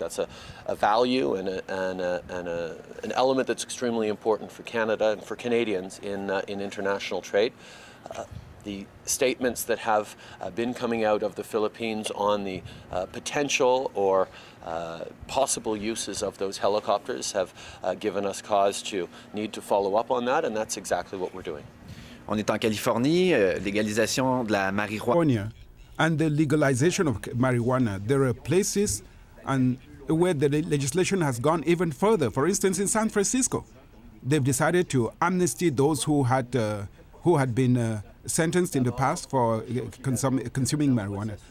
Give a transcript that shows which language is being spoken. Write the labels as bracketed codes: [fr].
[en] That's a value and an element that's extremely important for Canada and for Canadians in international trade. The statements that have been coming out of the Philippines on the potential or possible uses of those helicopters have given us cause to need to follow up on that, and that's exactly what we're doing. [fr] On est en Californie, légalisation de la marijuana. [en] And the legalization of marijuana, there are places and where the legislation has gone even further. For instance, in San Francisco, they've decided to amnesty those who had been sentenced in the past for consuming marijuana.